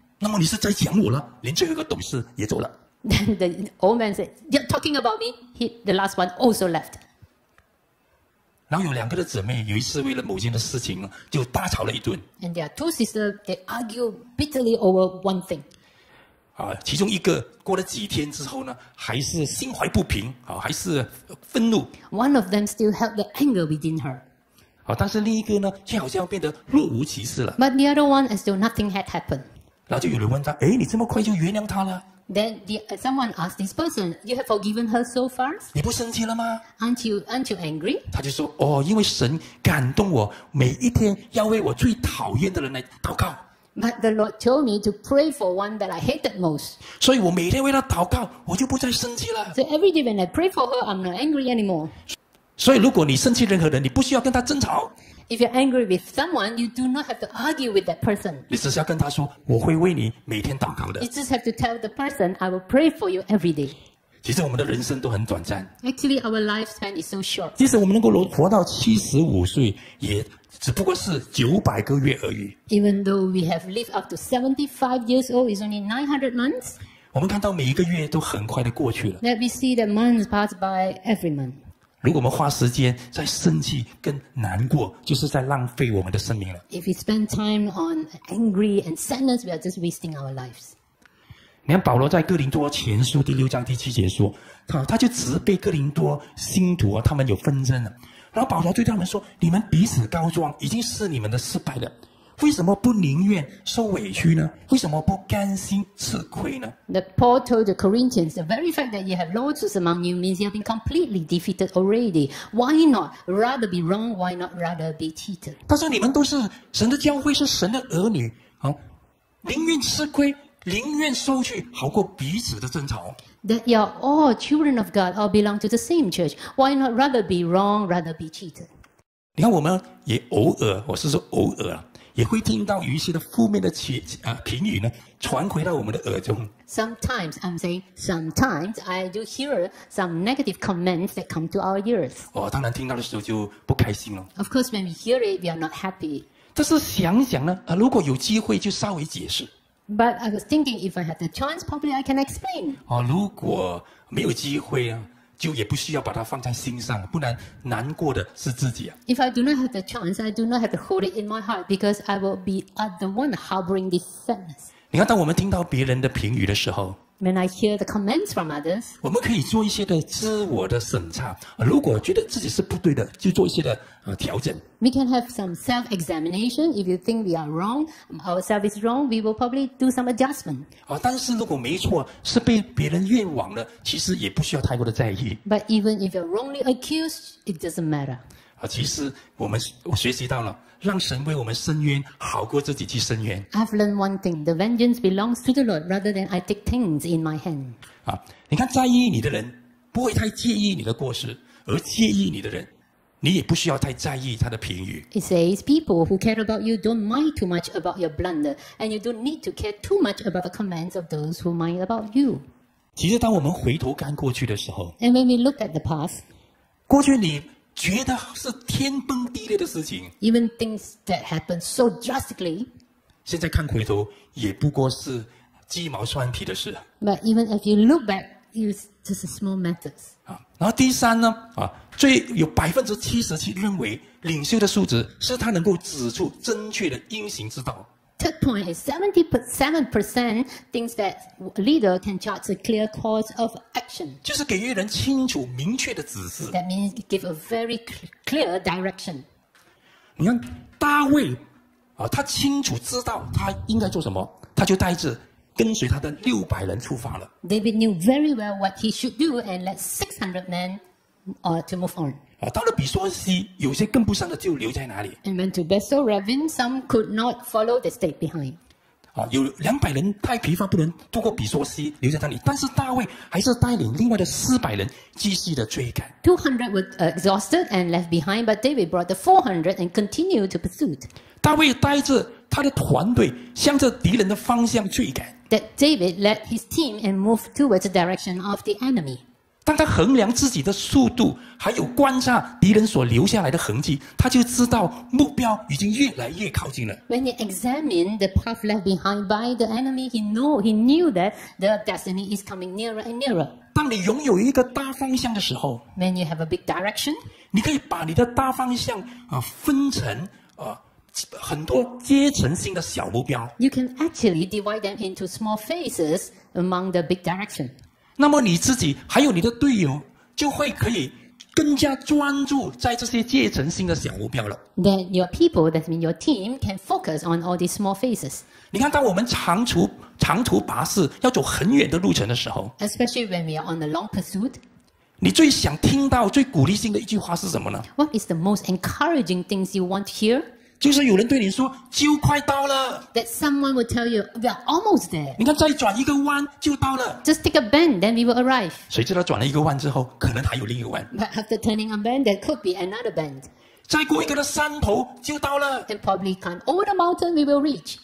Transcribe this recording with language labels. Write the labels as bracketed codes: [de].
[zh] 那么你是在讲我了，连最后一个董事也走了。 [en] The old man said, "You're talking about me." The last one also left. [zh] 然后有两个的姊妹，有一次为了母亲的事情，就大吵了一顿。 [en] And there are two sisters. They argue bitterly over one thing. [zh] 其中一个过了几天之后呢，还是心怀不平，还是愤怒。 [en] One of them still held the anger within her. [zh] 但是另一个呢，却好像变得若无其事了。 [en] But the other one, as though nothing had happened. [zh] 然后就有人问他：“哎，你这么快就原谅他了 [en] ？”Then someone asked this person, "You have forgiven her so far?" [zh] 你不生气了吗 [en] ？Aren't you angry? [zh] 他就说：“因为神感动我，每一天要为我最讨厌的人来祷告。 [en] ”But the Lord told me to pray for one that I hated most. [zh] 所以我每天为他祷告，我就不再生气了。 [en] So every day when I pray for her, I'm not angry anymore. [zh] 所以如果你生气任何人，你不需要跟他争吵。 [en] If you're angry with someone, you do not have to argue with that person. [zh] 你只是要跟他说，我会为你每天祷告的。 [en] You just have to tell the person, "I will pray for you every day." [zh] 其实我们的人生都很短暂。 [en] Actually, our lifespan is so short. [zh] 即使我们能够活到75岁，也只不过是900个月而已。 [en] Even though we have lived up to 75 years old, it's only 900 months. [zh] 我们看到每一个月都很快的过去了。 [en] Let me see the months pass by every month. [zh] 如果我们花时间在生气跟难过，就是在浪费我们的生命了。 [en] If we spend time on angry and sadness, we are just wasting our lives. [zh] 你看保罗在哥林多前书第六章第七节说，他就责备哥林多信徒啊，他们有纷争了。然后保罗对他们说：“你们彼此告状，已经是你们的失败了。” 为什么不宁愿受委屈呢？为什么不甘心吃亏呢？ [en] The Paul told the Corinthians, the very fact that you have lawsuits among you means you have been completely defeated already. Why not rather be wrong? Why not rather be cheated? [zh] 他说你们都是神的教会，是神的儿女，宁愿吃亏，宁愿受屈，好过彼此的争吵。 [en] That you are all children of God, all belong to the same church. Why not rather be wrong, rather be cheated? [zh] 你看我们也偶尔，我是说偶尔也会听到有一些的负面的评语呢，传回到我们的耳中。 [en] Sometimes I'm saying, sometimes I do hear some negative comments that come to our ears. [zh] 哦，当然听到的时候就不开心了。 [en] Of course, when we hear it, we are not happy. [zh] 但是想想呢，如果有机会就稍微解释。 [en] But I was thinking, if I had the chance, probably I can explain. [zh] 哦，如果没有机会啊。就也不需要把它放在心上，不然难过的是自己啊。 [en] If I do not have the chance, I do not have to hold it in my heart because I will be the one harboring this sadness. [zh] 你看，当我们听到别人的评语的时候 [en] ，When I hear the comments from others, [zh] 我们可以做一些的自我的审查，如果觉得自己是不对的，就做一些的调整。 [en] We can have some self-examination. If you think we are wrong, ourselves is wrong, we will probably do some adjustment. [zh] 但是如果没错，是被别人冤枉的，其实也不需要太过的在意。 [en] But even if you're wrongly accused, it doesn't matter. [zh] 其实我学习到了，让神为我们伸冤，好过自己去伸冤。 [en] I've learned one thing: the vengeance belongs to the Lord, rather than I take things in my hand. [zh] 你看，在意你的人不会太介意你的过失，而介意你的人。你也不需要太在意他的评语。 [en] It says people who care about you don't mind too much about your blunder, and you don't need to care too much about the comments of those who mind about you. [zh] 其实，当我们回头看过去的时候 [en] ，and when we look at the past, [zh] 过去你觉得是天崩地裂的事情 [en] ，even things that happened so drastically, [zh] 现在看回头也不过是鸡毛蒜皮的事。 [en] But even if you look back, it's just small matters. [zh] 然后第三呢？最有 77% 认为领袖的素质是他能够指出正确的因行之道。 [en] Third point is 77% thinks that a leader can chart a clear course of action. [zh] 就是给予人清楚明确的指示。 [en] That means give a very clear direction. [zh] 你看大卫他清楚知道他应该做什么，他就带着跟随他的600人出发了。 [en] David knew very well what he should do and let 600 men. To move on. [zh] 到了比索西，有些跟不上的就留在哪里。 [en] And went to Bethel Ravin. Some could not follow. They stayed behind. [zh] 有200人太疲乏不能渡过比索西，留在那里。但是大卫还是带领另外的400人继续的追赶。 [en] 200 were exhausted and left behind, but David brought the 400 and continued to pursue. [zh] 大卫带着他的团队向着敌人的方向追赶。 [en] That David led his team and moved towards the direction of the enemy. [zh] 当他衡量自己的速度，还有观察敌人所留下来的痕迹，他就知道目标已经越来越靠近了。 [en] When he examined the path left behind by the enemy, he knew that the destiny is coming nearer and nearer. [zh] 当你拥有一个大方向的时候 [en] ，When you have a big direction, [zh] 你可以把你的大方向分成很多阶层性的小目标。 [en] You can actually divide them into small phases among the big direction. [zh] 那么你自己还有你的队友就会可以更加专注在这些阶层性的小目标了。 [en] Then your people, that means your team, can focus on all these small phases. [zh] 你看，当我们长途跋涉要走很远的路程的时候 [en] ，especially when we are on a long pursuit， [zh] 你最想听到、最鼓励性的一句话是什么呢 [en] ？What is the most encouraging things you want to hear？ [zh] 就是有人对你说：“就快到了。” [en] That someone will tell you, "We are almost there." [zh] 你看，再转一个弯就到了。 [en] Just take a bend, then we will arrive. [zh] 谁知道转了一个弯之后，可能还有另一个弯。 [en] But after turning a bend, there could be another bend. [zh] 再过一个山头就到了。 [en] And probably climb over the mountain, we will reach.